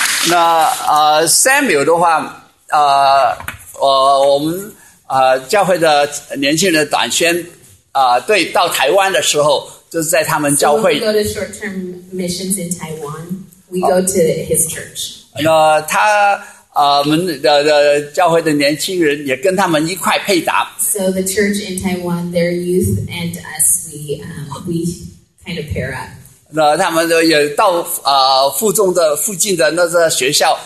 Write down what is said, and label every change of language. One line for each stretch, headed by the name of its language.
Chinese: 那Samuel 的话，我们教会的年轻人短宣对到台湾的时候，就是在他们教会。
English: So we go to short-term missions in Taiwan. We go to his church.
Chinese: 他们的教会的年轻人也跟他们一块配搭。
English: So the church in Taiwan, their youth and us, we kind of pair up.
Chinese: 那他们也到附中的附近的那个学校。